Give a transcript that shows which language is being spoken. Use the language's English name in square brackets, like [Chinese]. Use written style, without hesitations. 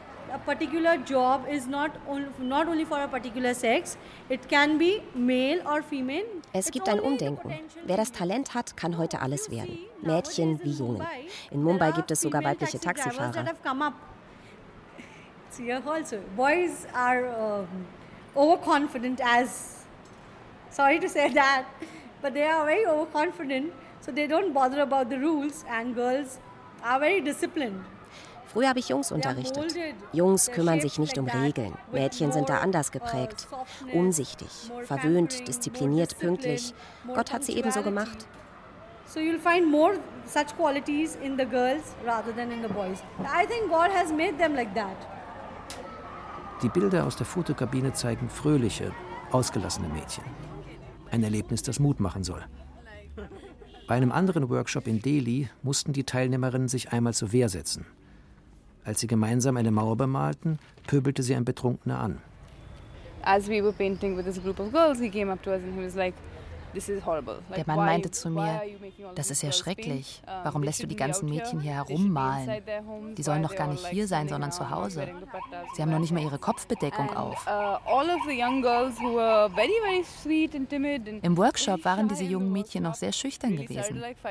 [English] A particular job is not only for a particular sex. It can be male or female. [German] Es gibt ein Umdenken. Wer das Talent hat, kann heute alles werden. Mädchen wie Jungen. In Mumbai gibt es sogar weibliche Taxifahrer. [English] See, also boys are overconfident as sorry to say that, but they are very overconfident, so they don't bother about the rules and girls are very disciplined. [German] Früher habe ich Jungs unterrichtet. Jungs kümmern sich nicht um Regeln. Mädchen sind da anders geprägt. Umsichtig, verwöhnt, diszipliniert, pünktlich. Gott hat sie eben so gemacht. [English] So you'll find more such qualities in the girls rather than in the boys. I think God has made them like that. [German] Die Bilder aus der Fotokabine zeigen fröhliche, ausgelassene Mädchen. Ein Erlebnis, das Mut machen soll. Bei einem anderen Workshop in Delhi mussten die Teilnehmerinnen sich einmal zur Wehr setzen. Als sie gemeinsam eine Mauer bemalten, pöbelte sie ein Betrunkener an. [English] As we were painting with this group of girls, he came up to us and he was like, "This is horrible." [German] Der Mann meinte zu mir, das ist ja schrecklich. Warum lässt du die ganzen Mädchen hier herummalen? Die sollen doch gar nicht hier sein, sondern zu Hause. Sie haben noch nicht mal ihre Kopfbedeckung auf. Im Workshop waren diese jungen Mädchen noch sehr schüchtern gewesen.